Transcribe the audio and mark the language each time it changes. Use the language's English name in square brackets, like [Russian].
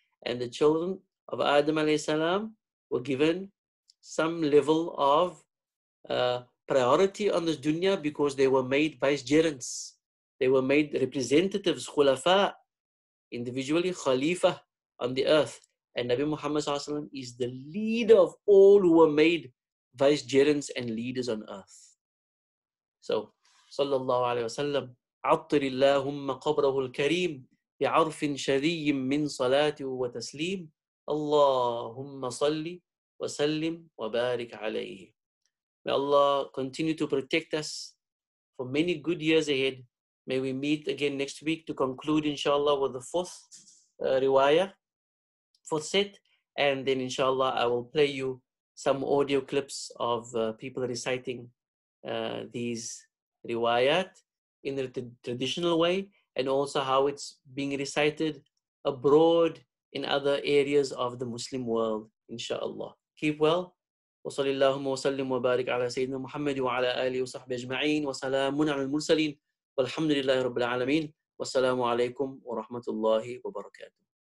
[English] And the children of Adam alayhi salam were given some level of priority on this dunya because they were made vicegerents. They were made representatives, khulafa, individually khalifa on the earth. And Nabi Muhammad sallallahu alaihi wasallam is the leader of all who were made vicegerents and leaders on earth. [Arabic] So, sallallahu alaihi wasallam, عطر اللهم قبره الكريم بعرف شذي من صلاة وتسليم اللهم صل وسلم وبارك عليه. [English] May Allah continue to protect us for many good years ahead. May we meet again next week to conclude, inshallah, with the fourth riwayah, fourth set. And then, inshallah, I will play you some audio clips of people reciting these riwayat in the traditional way, and also how it's being recited abroad in other areas of the Muslim world, inshallah. Keep well. [Arabic] وصلي اللهم وسلم وبارك على سيدنا محمد وعلى آله وصحبه أجمعين، وسلام على المرسلين، والحمد لله رب العالمين، والسلام عليكم ورحمة الله وبركاته.